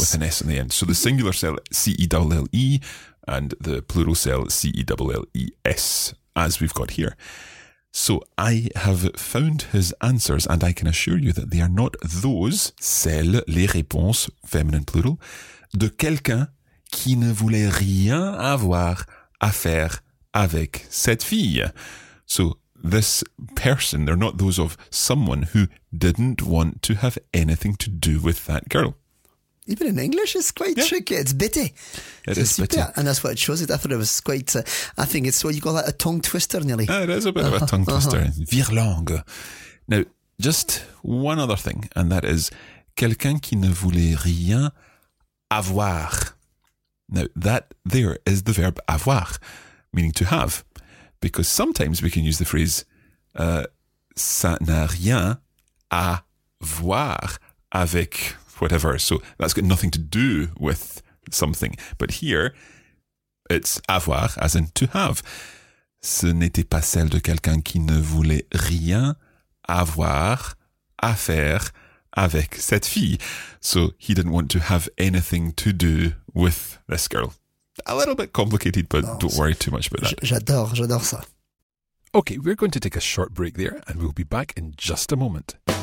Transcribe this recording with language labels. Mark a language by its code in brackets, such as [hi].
[en] With an S in the end. So the singular cell, C-E-L-L-E, and the plural cell, C-E-L-L-E-S, as we've got here. So I have found his answers, and I can assure you that they are not those, [fr] celles, les réponses, [en] feminine plural, [fr] de quelqu'un qui ne voulait rien avoir à faire avec cette fille. [en] So, this person, they're not those of someone who didn't want to have anything to do with that girl. Even in English, it's quite tricky. It's bitty. It's super bitty. And that's what it shows. I thought it was quite... I think it's what you call that, a tongue twister, nearly. It is a bit of a tongue twister. Virlangue. Now, just one other thing, and that is [fr] quelqu'un qui ne voulait rien avoir. [en] Now, that there is the verb avoir, meaning to have. Because sometimes we can use the phrase [fr] ça n'a rien à voir avec... [en] whatever. So that's got nothing to do with something. But here, it's avoir, as in to have. [fr] Ce n'était pas celle de quelqu'un qui ne voulait rien avoir à faire avec cette fille. [en] So he didn't want to have anything to do with this girl. A little bit complicated, but no, don't worry too much about that. [fr] J'adore ça. [en] Okay, we're going to take a short break there and we'll be back in just a moment.